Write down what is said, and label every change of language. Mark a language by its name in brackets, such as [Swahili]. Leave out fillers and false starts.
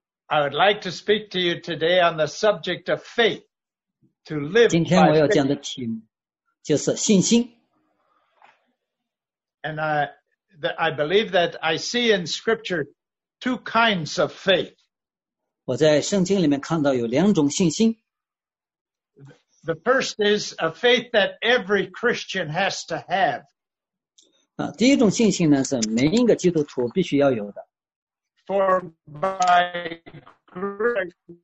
[English] I would like to speak to you today on the subject of faith, to live by faith. [Chinese] 今天我要讲的题目就是信心。 [English] And I believe that I see in scripture two kinds of faith. [Chinese] 我在圣经里面看到有两种信心。 [English] The first is a faith that every Christian has to have. [Chinese] 第一种信心呢，是每一个基督徒必须要有的。 [English] For by grace,